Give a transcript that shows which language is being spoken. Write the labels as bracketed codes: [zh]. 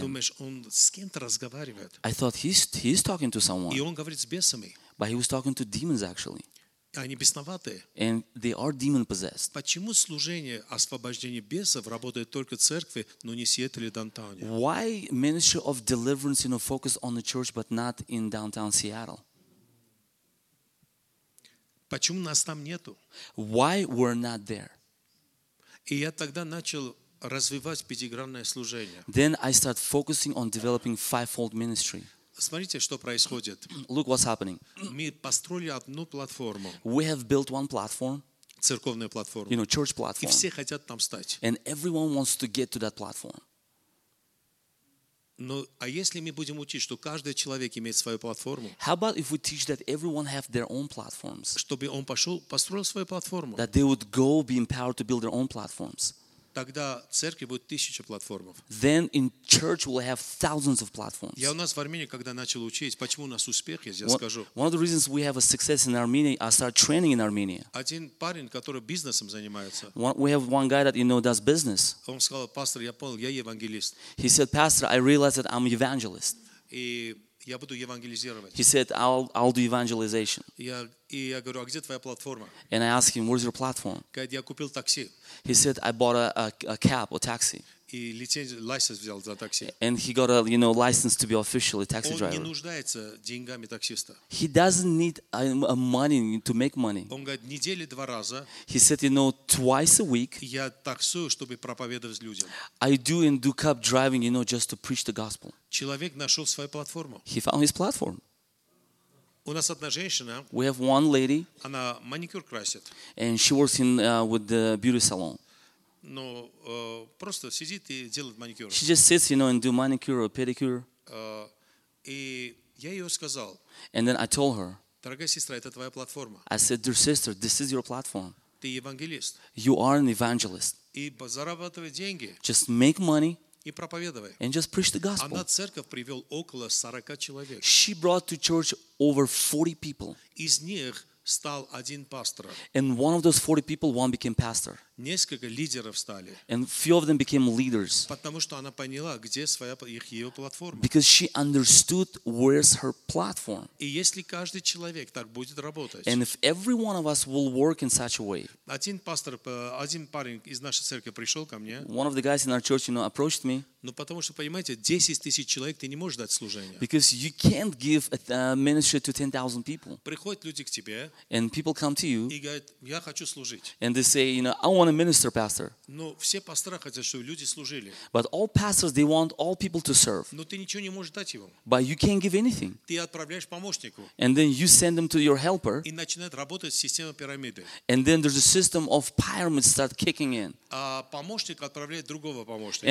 [ru] думаешь, он с кем-то разговаривает. [en] I thought he's talking to someone. [ru] И он говорит с бесами. [en] But he was talking to demons actually. [ru] Они бесноватые. [en] And they are demon possessed. [ru] Почему служение освобождения бесов работает только в церкви, но не в Сиэтле, даунтауне? [en] Why ministry of deliverance, you know, focus on the church but not in downtown Seattle? [ru] Почему нас там нету? [en] Why we're not there? [ru] И я тогда начал развивать пятигранное служение. [en] Then I start focusing on developing fivefold ministry. [ru] Смотрите, что происходит. [en] Look what's happening. [ru] Мы построили одну платформу. [en] We have built one platform. [ru] Церковную платформу. [en] You know, church platform. [ru] И все хотят там стать. [en] And everyone wants to get to that platform. [ru] Но а если мы будем учить, что каждый человек имеет свою платформу? [en] How about if we teach that everyone have their own platforms? [ru] Чтобы он пошел, построил свою платформу. [en] That they would go be empowered to build their own platforms. [ru] Тогда церкви будет тысяча платформ. [en] Then in church we'll have thousands of platforms. [ru] Я у нас в Армении, когда начал учить, почему у нас успех, я здесь скажу. [en] One of the reasons we have a success in Armenia, I start training in Armenia. [ru] Один парень, который бизнесом занимается. [en] We have one guy that, you know, does business. [ru] Он сказал, пастор, я понял, я евангелист. [en] He said, pastor, I realize that I'm evangelist. [ru] И я буду евангелизировать. [en] He said, I'll do evangelization. [ru] И я говорю, а где твоя платформа? [en] And I ask him, where's your platform? [ru] Говорит, я купил такси. [en] He said, I bought a cab or taxi. [ru] И лиценз взял за такси. [en] And he got a, you know, license to be officially a taxi driver. [ru] Он не нуждается деньгами таксиста. [en] He doesn't need a money to make money. [ru] Он говорит, недели два раза. [en] He said, you know, twice a week. [ru] Я таксую, чтобы проповедовать людям. [en] I do and do cab driving, you know, just to preach the gospel. [ru] Человек нашел свою платформу. [en] He found his platform. [ru] У нас одна женщина. [en] We have one lady. [ru] Она маникюр красит. [en] And she works in with the beauty salon. [ru] Но просто сидит и делает маникюр. [en] She just sits, you know, and do manicure or pedicure. [ru] И я ее сказал. [en] And then I told her. [ru] Дорогая сестра, это твоя платформа. [en] I said, dear sister, this is your platform. [ru] Ты евангелист. [en] You are an evangelist. [ru] И зарабатывай деньги. [en] Just make money. [ru] И проповедовай. [en] And just preach the gospel. [ru] Она церковь привел около 40 человек. [en] She brought to church over 40 people. [ru] Из них стал один пастор. [en] And one of those 40 people, one became pastor. [ru] Несколько лидеров стали. [en] And few of them became leaders. [ru] Потому что она поняла, где своя их ее платформа. [en] Because she understood where's her platform. [ru] И если каждый человек так будет работать. [en] And if every one of us will work in such a way. [ru] Один пастор, один парень из нашей церкви пришел ко мне. [en] One of the guys in our church, you know, approached me. [ru] Ну потому что понимаете, 10,000 человек ты не можешь дать служение. [en] Because you can't give a ministry to 10,000 people. [ru] Приходят люди к тебе. [en] And people come to you. [ru] И говорят, я хочу служить. [en] And they say, you know, I want to minister, pastor. [ru] Но все пасторы хотят, чтобы люди служили. [en] But all pastors, they want all people to serve. [ru] Но ты ничего не можешь дать ему. [en] But you can't give anything. [ru] Ты отправляешь помощнику. [en] And then you send them to your helper. [ru] И начинает работать система пирамиды. [en] And then there's a system of pyramids start kicking in. [ru] А помощник отправляет другого помощника.